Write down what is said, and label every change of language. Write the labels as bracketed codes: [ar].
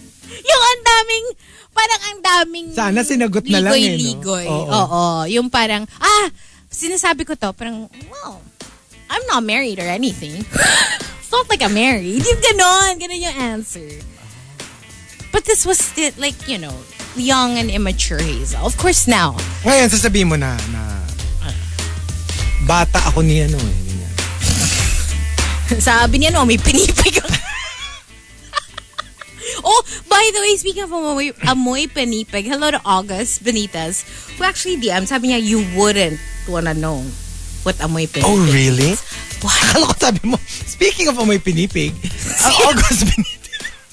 [tl] Yung ang daming, parang ang daming sana sinagot na lang eh. Ligoy-ligoy. No? Oo. Yung parang, ah, sinasabi ko to, parang, [en] well, I'm not married or anything. It's not like I'm married. [tl] Yung ganon, ganon yung answer. [en] But this was, like, you know, young and immature Hazel. Of course, now. [tl] Ngayon, sasabihin mo na bata ako niya, no? Sabi niya, no, may pinipig ako. [en] Oh, by the way, speaking of Amoy Panipig, hello to August Benitez, who actually DM'd, [tl] sabi niya, [en] you wouldn't wanna know what Amoy Panipig oh, is. Oh, really? What? Hello, [tl] sabi mo, [en] speaking of Amoy Panipig, August Benitez.